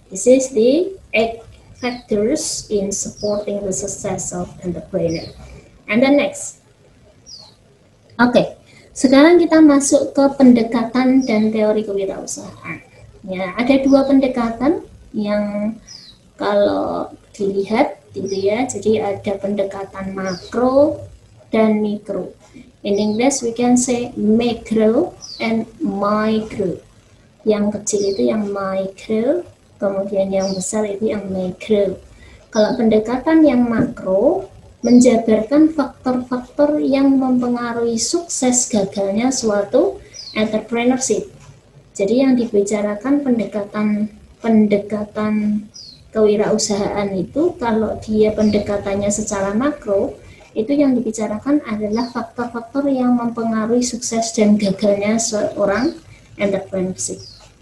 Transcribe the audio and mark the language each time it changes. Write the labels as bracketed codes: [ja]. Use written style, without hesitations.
[en] This is the eight factors in supporting the success of entrepreneur. And then next. [id] Oke, sekarang kita masuk ke pendekatan dan teori kewirausahaan. Ya, ada dua pendekatan yang kalau dilihat gitu ya, jadi ada pendekatan makro dan mikro. [en] In English we can say macro and micro. [id] Yang kecil itu yang micro, kemudian yang besar itu yang macro. Kalau pendekatan yang makro menjabarkan faktor-faktor yang mempengaruhi sukses gagalnya suatu entrepreneurship. Jadi yang dibicarakan pendekatan kewirausahaan itu, kalau dia pendekatannya secara makro, itu yang dibicarakan adalah faktor-faktor yang mempengaruhi sukses dan gagalnya seorang entrepreneurship.